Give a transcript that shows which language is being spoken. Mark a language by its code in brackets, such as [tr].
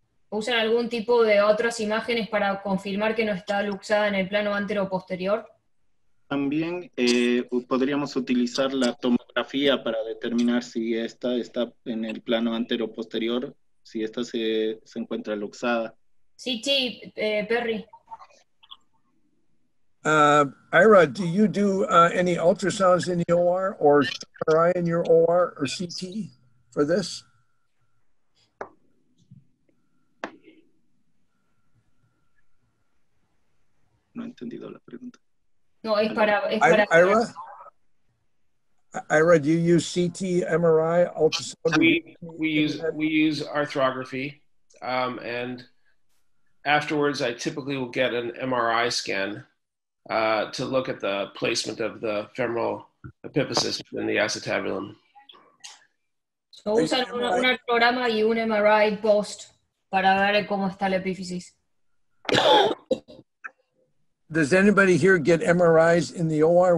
[es] ¿Usan algún tipo de otras imágenes para confirmar que no está luxada en el plano antero posterior? También podríamos utilizar la tomografía para determinar si esta está en el plano antero posterior, si esta se encuentra luxada. [en] CT, Perry. Ira, do you do any ultrasounds in the OR or MRI in your OR or CT for this? [es] No he entendido la pregunta. No, es para... [en] Ira, do you use CT, MRI, ultrasound? We use arthrography. And afterwards, I typically will get an MRI scan to look at the placement of the femoral epiphysis in the acetabulum. [es] So usan un programa y un MRI post para ver cómo está la epífisis. [en] Does anybody here get MRIs in the OR?